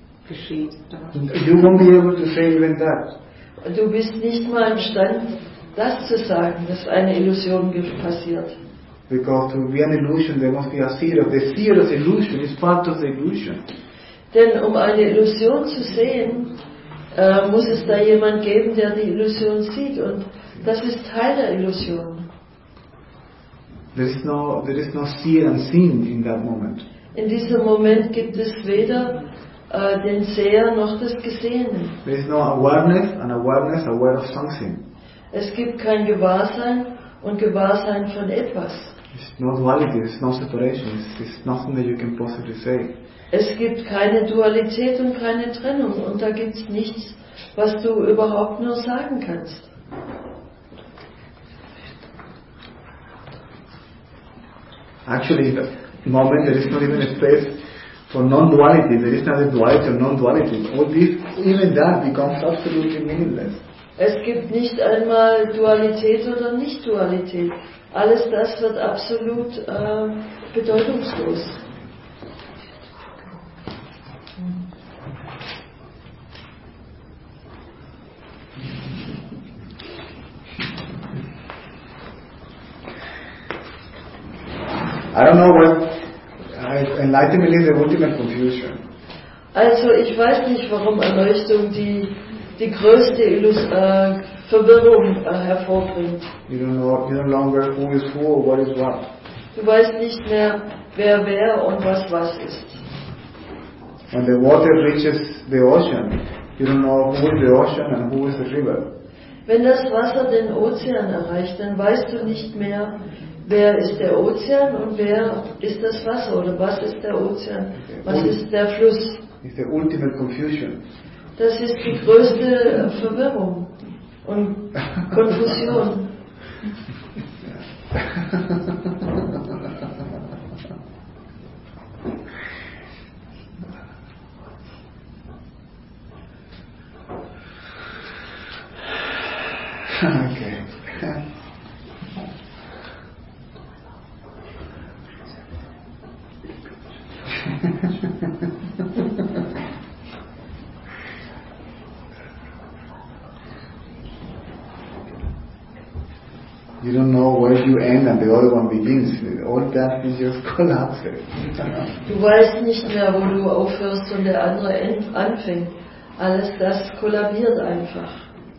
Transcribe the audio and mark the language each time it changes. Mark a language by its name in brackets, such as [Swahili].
[English] You won't be able to say even that. [German] Du bist nicht mal im Stand, das zu sagen, dass eine Illusion passiert. [English] Because to be an illusion, there must be a fear. The fear of illusion is part of the illusion. [German] Denn um eine Illusion zu sehen, muss es da jemand geben, der die Illusion sieht, und das ist Teil der Illusion. [English] There is no seer and seen in that moment. [German] In diesem Moment gibt es weder den Seher noch das Gesehene. [English] There is no awareness, an awareness aware of something. [German] Es gibt kein Gewahrsein und Gewahrsein von etwas. [English] It's no duality, it's no separation, it's nothing that you can possibly say. [German] Es gibt keine Dualität und keine Trennung, und da gibt es nichts, was du überhaupt nur sagen kannst. [English] Actually, in the moment there is not even a space for non-duality. There is neither duality or non-duality. All this, even that, becomes absolutely meaningless. [German] Es gibt nicht einmal Dualität oder Nicht-Dualität. Alles das wird absolut bedeutungslos. [English] I don't know what enlightenment is, the ultimate confusion. [German] Also, ich weiß nicht, warum Erleuchtung die größte Verwirrung hervorbringt. [English] You don't know, you no longer who is who or what is what. [German] Du weißt nicht mehr, wer wer und was was ist. [English] When the water reaches the ocean, you don't know who is the ocean and who is the river. [German] Wenn das Wasser den Ozean erreicht, dann weißt du nicht mehr, wer ist der Ozean und wer ist das Wasser, oder was ist der Ozean, was ist der Fluss? [English] It's the ultimate confusion. [German] Das ist die größte Verwirrung und Konfusion. [English] Okay. You don't know where you end and the other one begins. All that is just collapsing. [German] Du weißt nicht mehr, wo du aufhörst und der andere anfängt. Alles das kollabiert einfach.